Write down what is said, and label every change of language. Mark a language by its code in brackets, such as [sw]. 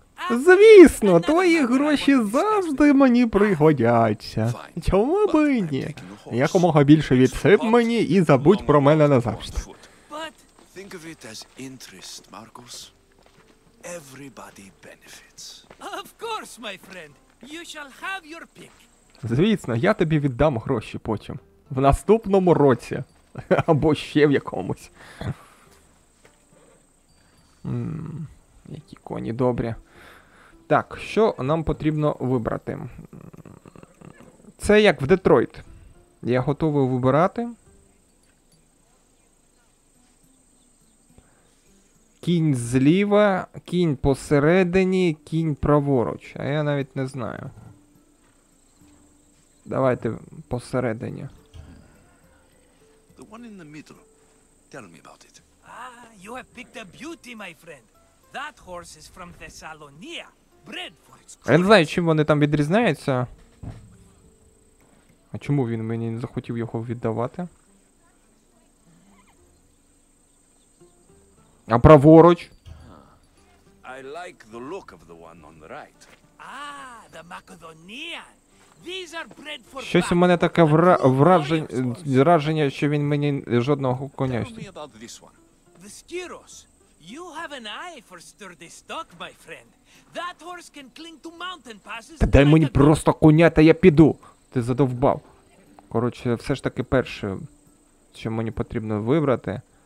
[uk] звісно, твої гроші завжди мені пригодяться. Чому б і ні? Якомога більше відсип мені і забудь про мене назавжди. [en] Think of it as interest, Marcus. Everybody benefits. Of course. course, my friend. You shall have your pick. [uk] Звісно, я тобі віддам гроші потім. В наступному році. Або ще в якомусь. Які коні добрі. Так, що нам потрібно вибрати? Це як в Детройт. Я готовий вибирати. Кінь зліва, кінь посередині, кінь праворуч. А я навіть не знаю. Давайте посередині. [en] The one in the middle. Tell me about it. Ah, you have picked a beauty, my friend. That horse is from Thessalonia. Bred for its [uk] course. Я не знаю, чим вони там відрізняються. А чому він мені не захотів його віддавати? А праворуч? [en] I like the look of the one on the right. Ah, the Macedonian. These are bred for. [uk] Щось у мене таке враження, що він мені жодного коня. [en] Tell me about this one. The Skyros. You have an eye for sturdy stock, my friend. That horse can cling to mountain passes. [uk] Та дай мені просто коня, та я піду. Ти задовбав. Коротше, все ж таки перше, що мені потрібно вибрати.